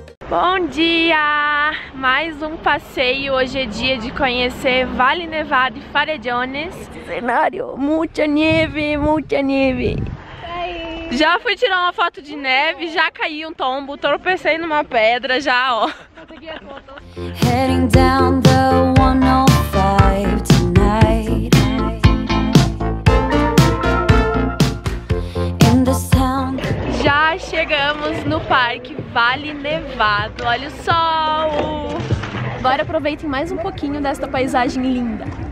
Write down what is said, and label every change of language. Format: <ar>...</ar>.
<pt>Bom dia! Mais um passeio. Hoje é dia de conhecer Vale Nevado e Farellones. Cenário, muita neve, muita neve. Já fui tirar uma foto de neve, já caí um tombo, tropecei numa pedra já, ó.</pt> <en>Heading down the 105 tonight. In the sound.</en> <pt>Já chegamos no parque Vale Nevado. Olha o sol. Agora aproveitem mais um pouquinho desta paisagem linda.</pt>